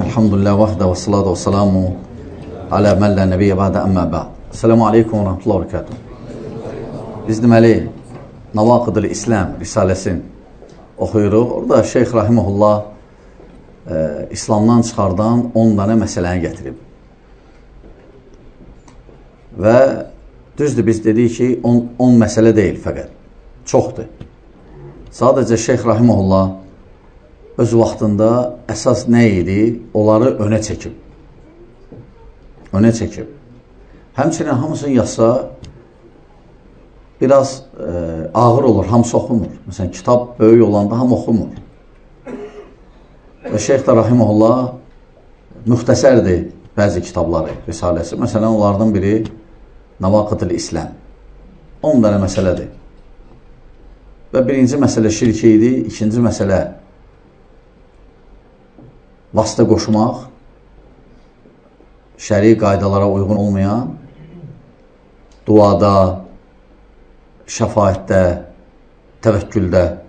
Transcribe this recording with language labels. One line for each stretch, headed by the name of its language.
Arabic: الحمد لله وحده والصلاة والسلام على من لا نبي بعد. أما بعد، السلام عليكم ورحمة الله وبركاته. بإذن الله نواقض الإسلام رسالة أخيرو.
Azerbaijani: Orada Şeyh Rahimahullah İslam'dan çıxardan 10 tane məsələni gətirib. Və düzdür, biz dedik ki 10 məsələ deyil fəqət. Çoxdur. Sadəcə Şeyh Rahimahullah öz vaxtında əsas nə idi? Onları önə çəkib. Önə çəkib. Həmçinin hamısını yazsa biraz ağır olur, hamısı oxumur. Məsələn, kitab böyük olanda hamı oxumur. Və Şeyh də rahimahullah müxtəsərdir bəzi kitabları, risaləsi. Məsələn, onlardan biri Nəvaqıdül İslam. 10 dənə məsələdir. Və birinci məsələ şirk idi, ikinci məsələ vasitə qoşmaq, şəri qaydalara uyğun olmayan, duada, şəfaətdə, təvəkküldə.